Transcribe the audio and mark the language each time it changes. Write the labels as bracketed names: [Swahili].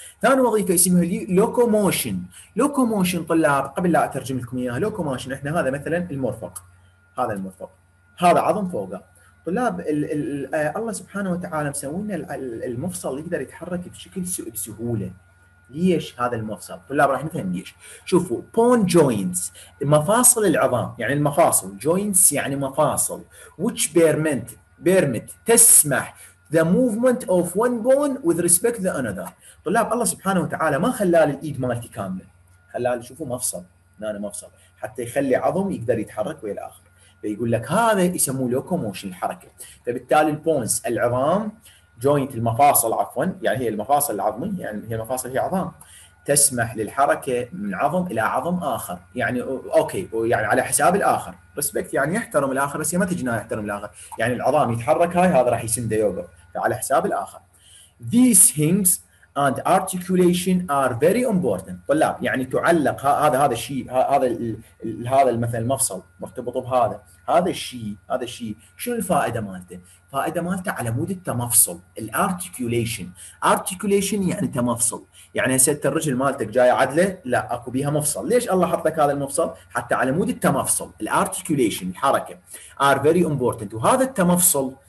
[Arabic] ثاني وظيفة اسمها locomotion، locomotion طلاب قبل لا أترجم لكم إياها، locomotion إحنا هذا مثلا المرفق، هذا المرفق، هذا عظم فوقه. طلاب الله سبحانه وتعالى مسوينا المفصل يقدر يتحرك بشكل بسهولة، ليش هذا المفصل؟ طلاب راح نفهم ليش. [English] شوفوا bone joints [Arabic] مفاصل العظام، يعني المفاصل [English] joints [Arabic] يعني مفاصل، [English] which permit تسمح the movement of one bone with respect to the another. [Arabic] طلاب الله سبحانه وتعالى ما خلال الإيد مالتي كاملة، خلال شوفوا مفصل، نانا مفصل حتى يخلي عظم يقدر يتحرك ويا الآخر، فيقول لك هذا يسموه locomotion الحركة. فبالتالي bones العظام، جوينت المفاصل عفوا، يعني هي المفاصل العظمية، يعني هي المفاصل هي عظام، تسمح للحركة من عظم إلى عظم آخر، يعني أوكي، يعني على حساب الآخر، رسبكت يعني يحترم الآخر، بس هي ما تجينا يحترم الآخر، يعني العظام يتحرك هاي، هذا راح يسند يوقف على حساب الآخر. [English] These hinges and articulation are very important. [Arabic] طلاب يعني تعلق هذا الشيء، هذا مثلا المفصل مرتبط بهذا، هذا الشيء شنو الفائدة مالته؟ فائدة مالته على مود التمفصل، الارتكوليشن، ارتكوليشن يعني تمفصل، يعني هسه الرجل مالتك جاي عدله، لا اكو بيها مفصل، ليش الله حط لك هذا المفصل؟ حتى على مود التمفصل، الارتكوليشن الحركة [English] are very important. [Arabic] وهذا التمفصل